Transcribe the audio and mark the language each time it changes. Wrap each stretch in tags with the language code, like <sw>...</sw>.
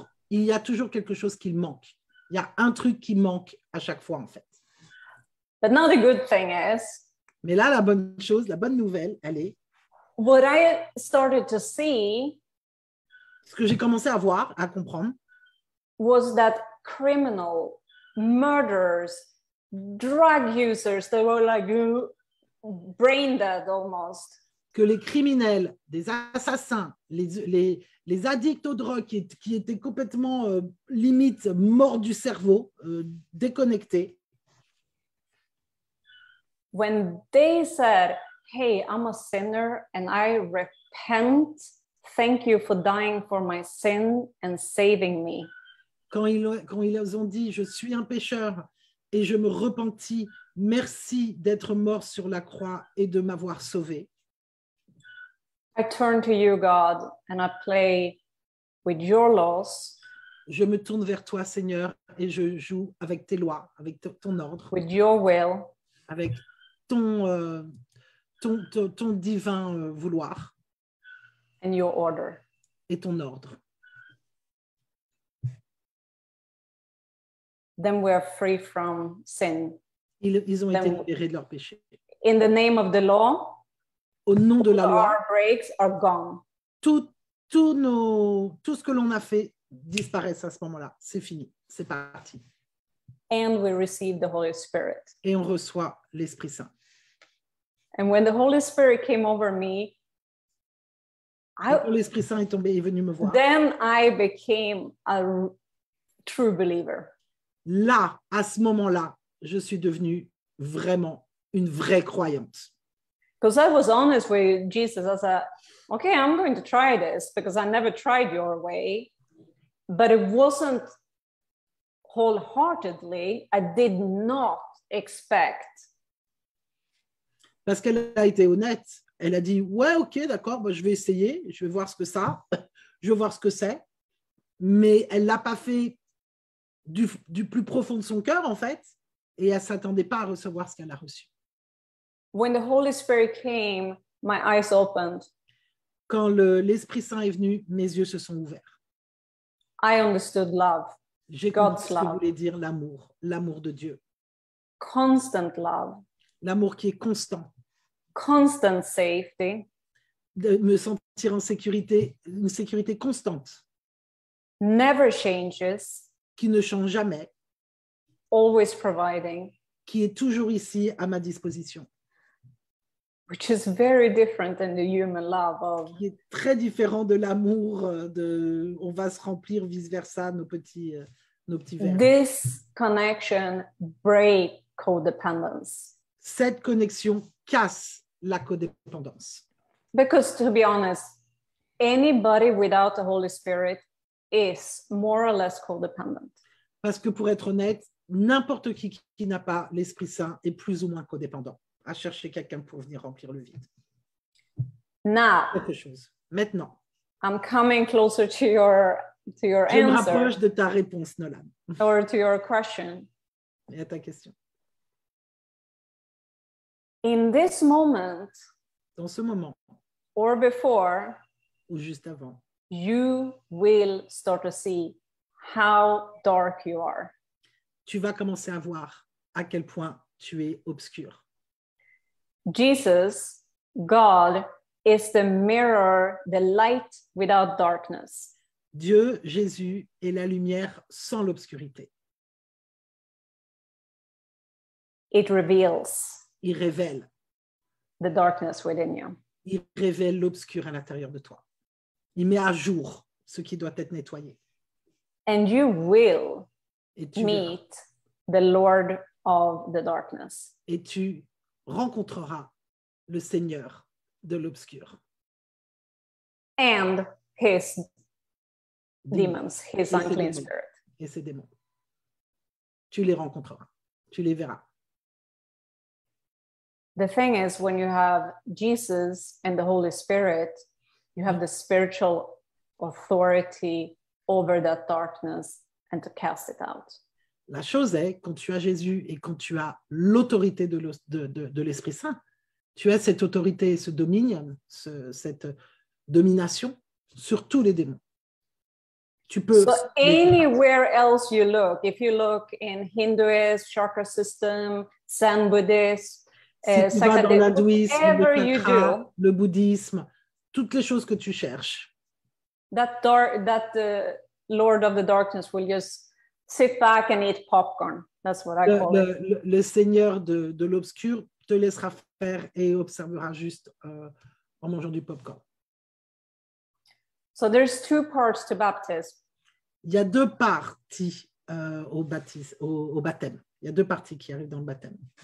<fr>Il y a toujours quelque chose qui manque. Il y a un truc qui manque à chaque fois, en fait.</fr> <en>But now the good thing is.</en> <fr>Mais là, la bonne chose, la bonne nouvelle, elle est.</fr> <en>What I started to see.</en> <fr>Ce que j'ai commencé à voir, à comprendre.</fr> <en>Was that criminals, murderers, drug users, they were like brain dead almost.</en> <fr>Que les criminels, des assassins, les addicts aux drogues qui étaient complètement limite morts du cerveau, déconnectés.</fr> <en>When they said, "Hey, I'm a sinner and I repent. Thank you for dying for my sin and saving me."</en> <fr>Quand ils ont dit, "Je suis un pécheur et je me repentis. Merci d'être mort sur la croix et de m'avoir sauvé."</fr> <en>I turn to you, God, and I play with your laws.</en> <fr>Je me tourne vers toi, Seigneur, et je joue avec tes lois, avec ton ordre.</fr> <en>With your will.</en> <fr>Avec ton, euh, ton divin vouloir.</fr> <en>And your order.</en> <fr>Et ton ordre.</fr> <en>Then we are free from sin.</en> <fr>Ils ont été libérés de leur péché.</fr> <en>In the name of the law.</en> <fr>Au nom de la loi.</fr> <en>Our breaks are gone.</en> <fr>Tout ce que l'on a fait disparaît à ce moment-là. C'est fini. C'est parti.</fr> <en>And we receive the Holy Spirit.</en> <fr>Et on reçoit l'Esprit Saint.</fr> <en>And when the Holy Spirit came over me,</en> <fr>quand l'Esprit Saint est tombé et venu me voir,</fr> <en>then I became a true believer.</en> <fr>Là, à ce moment-là, je suis devenue vraiment une vraie croyante.</fr> <en>Because I was honest with Jesus, I said, "Okay, I'm going to try this because I never tried your way, but it wasn't wholeheartedly. I did not expect."</en> <fr>Parce qu'elle a été honnête. Elle a dit, ouais, ok, d'accord, bah, je vais essayer, je vais voir ce que ça, je vais voir ce que c'est. Mais elle ne l'a pas fait du plus profond de son cœur, en fait, et elle ne s'attendait pas à recevoir ce qu'elle a reçu.</fr> <en>When the Holy Spirit came, my eyes opened.</en> <fr>Quand l'Esprit Saint est venu, mes yeux se sont ouverts.</fr> <en>I understood love.</en> <fr>J'ai compris ce que voulait dire l'amour de Dieu.</fr> <en>Constant love.</en> <fr>L'amour qui est constant.</fr> <en>Constant safety.</en> <fr>De me sentir en sécurité, une sécurité constante.</fr> <en>Never changes.</en> <fr>Qui ne change jamais.</fr> <en>Always providing.</en> <fr>Qui est toujours ici à ma disposition.</fr> <en>Which is very different than the human love of.</en> <fr>Qui est très différent de l'amour de on va se remplir vice versa nos petits verres.</fr> <en>This connection break codependence.</en> <fr>Cette connexion casse la codépendance.</fr> <en>Because to be honest, anybody without the Holy Spirit is more or less codependent.</en> <fr>Parce que pour être honnête, n'importe qui n'a pas l'Esprit Saint est plus ou moins codépendant à chercher quelqu'un pour venir remplir le vide.</fr> <en>Now,</en> <fr>quelque chose. Maintenant,</fr> <en>I'm coming closer to your</en> <fr>je</fr> <en>answer.</en> <fr>Je me rapproche de ta réponse, Nolan.</fr> <en>Or to your question.</en> <fr>Et à ta question.</fr> <en>In this moment,</en> <fr>dans ce moment,</fr> <en>or before,</en> <fr>ou juste avant,</fr> <en>you will start to see how dark you are.</en> <fr>Tu vas commencer à voir à quel point tu es obscur.</fr> <en>Jesus, God, is the mirror, the light without darkness.</en> <fr>Dieu, Jésus, est la lumière sans l'obscurité.</fr> <en>It reveals.</en> <fr>Il révèle</fr> <en>the darkness within you.</en> <fr>Il révèle l'obscur à l'intérieur de toi. Il met à jour ce qui doit être nettoyé.</fr> <en>And you will meet the Lord of the darkness.</en> <fr>Et tu rencontreras le Seigneur de l'obscur.</fr> <en>And his demons, his unclean spirit.</en> <fr>Et ses démons. Tu les rencontreras. Tu les verras.</fr> <en>The thing is, when you have Jesus and the Holy Spirit, you have the spiritual authority over that darkness and to cast it out.</en> <fr>La chose est, quand tu as Jésus et quand tu as l'autorité de l'Esprit Saint, tu as cette autorité, ce dominion, cette domination sur tous les démons. Tu peux.</fr> <en>So anywhere else you look, if you look in Hinduism, chakra system, Zen Buddhism.</en> <fr>Si tu vas dans l'hindouisme, le chakra, le bouddhisme, toutes les choses que tu cherches.</fr> <en>That the Lord of the darkness will just sit back and eat popcorn. That's what I call it.</en> <fr>Le Seigneur de l'obscur te laissera faire et observera juste en mangeant du popcorn.</fr> <en>So there's two parts to baptism.</en> <fr>Il y a deux parties au baptême. Il y a deux parties qui arrivent dans le baptême.</fr>